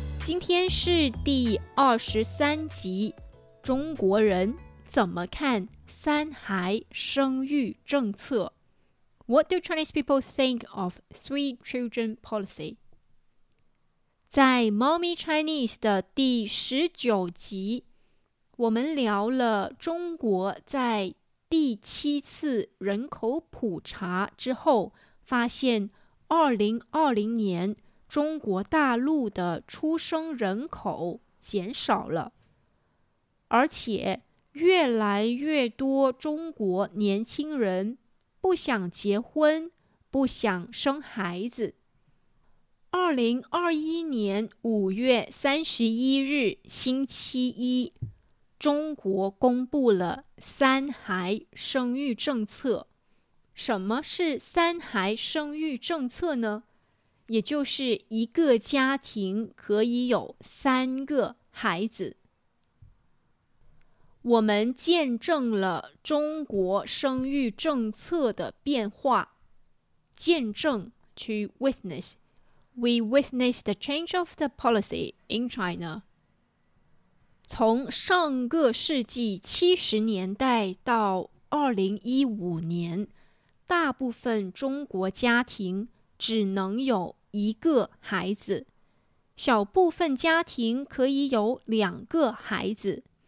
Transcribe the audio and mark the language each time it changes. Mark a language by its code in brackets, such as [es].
[zh] 今天是第23集，中国人怎么看三孩生育政策。 [en] What do Chinese people think of three children policy? [zh] 在猫咪 Chinese 的第19集，我们聊了中国在第七次人口普查之后发现2020年中国大陆的出生人口减少了，而且越来越多中国年轻人不想结婚，不想生孩子。 2021年5月31日星期一，中国公布了三孩生育政策。什么是三孩生育政策呢？也就是一个家庭可以有三个孩子。我们见证了中国生育政策的变化。见证，去 witness。 [en] We witnessed the change of the policy in China。 [zh] 从上个世纪70年代到2015年，大部分中国家庭只能有一个孩子，小部分家庭可以有两个孩子。